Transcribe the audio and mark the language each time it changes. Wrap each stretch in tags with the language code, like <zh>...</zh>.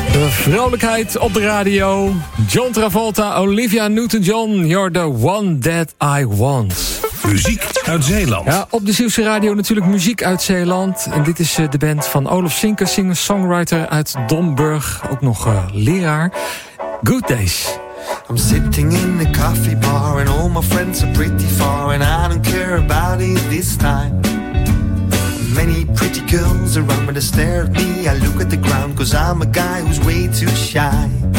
<nl>Vrolijkheid op de radio. John Travolta, Olivia Newton-John.</nl> <en>You're the one that I want.</en> <nl>Muziek uit Zeeland. Ja, op de Zeeuwse radio natuurlijk muziek uit Zeeland. En dit is de band van Olaf Sinker, singer-songwriter uit Domburg. Ook nog leraar. Good Days.</nl> <en>I'm sitting in the coffee bar and all my friends are pretty far and I don't care about it this time. Many pretty girls around me, they stare at me, I look at the ground, cause I'm a guy who's way too shy.</en>